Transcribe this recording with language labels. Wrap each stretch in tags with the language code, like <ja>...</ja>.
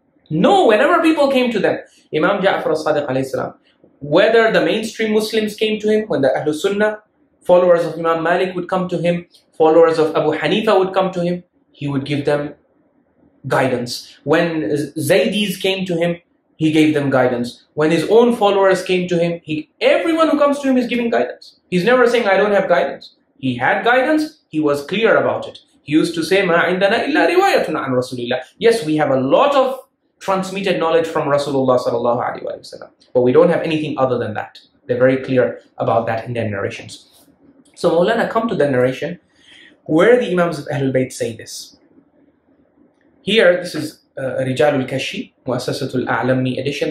<en>No, whenever people came to them, Imam Ja'far al-Sadiq alayhi salam, whether the mainstream Muslims came to him, when the Ahlul Sunnah, followers of Imam Malik would come to him, followers of Abu Hanifa would come to him, he would give them guidance. When Zaydis came to him, he gave them guidance. When his own followers came to him, everyone who comes to him is giving guidance. He's never saying, I don't have guidance. He had guidance, he was clear about it.</en> <ar>He used to say, مَا عِنْدَنَا إِلَّا رِوَايَةُنَا عَنْ رَسُولِ اللَّهِ.</ar> <en>Yes, we have a lot of transmitted knowledge from Rasulullah sallallahu alayhi wa sallam, but we don't have anything other than that. They're very clear about that in their narrations. So Mawlana, come to the narration where the Imams of Ahlul Bayt say this. Here, this is Rijal al-Kashi, Mu'assasat al-A'lami edition.</en>